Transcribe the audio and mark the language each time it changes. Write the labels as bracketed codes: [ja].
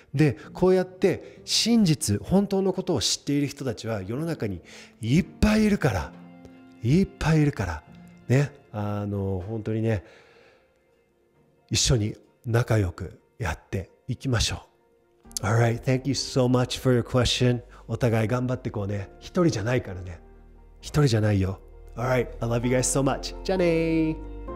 [ja] で、こうやって真実、本当のことを知っている人たちは世の中にいっぱいいるから、いっぱいいるから、ね、本当にね、一緒に仲良くやっていきましょう。 [en] Alright, thank you so much for your question. [ja] お互い頑張ってこうね、一人じゃないからね、一人じゃないよ。 [en] Alright, I love you guys so much. [ja] じゃあねー。